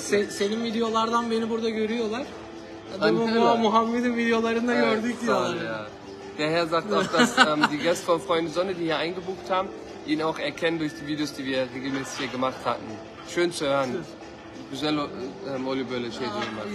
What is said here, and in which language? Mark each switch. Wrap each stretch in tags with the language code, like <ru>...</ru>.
<tr>Senin videolardan beni burada görüyorlar. Muhammed'in videolarında gördük diyorlar.</tr> <de>Der Herr sagt auch, dass die Gäste von Freunde Sonne, die hier eingebucht haben, ihn auch erkennen durch die Videos, die wir regelmäßig hier gemacht hatten. Schön zu hören.</de> <tr>Güzel oluyor böyle şey diyorlar.</tr>